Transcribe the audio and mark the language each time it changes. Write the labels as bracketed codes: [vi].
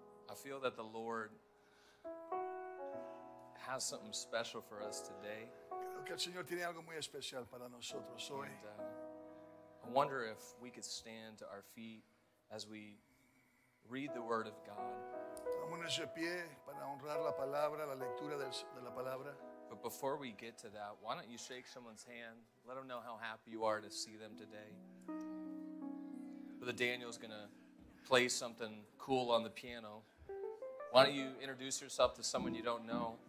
[en] I feel that the Lord has something special for us today. [es] Creo que el Señor tiene algo muy especial para nosotros hoy. [en] And, I wonder if we could stand to our feet as we read the Word of God. [es] Vámonos de pie para honrar la palabra, la lectura de la palabra. [en] But before we get to that, why don't you shake someone's hand? Let them know how happy you are to see them today. Brother Daniel's going to play something cool on the piano. Why don't you introduce yourself to someone you don't know?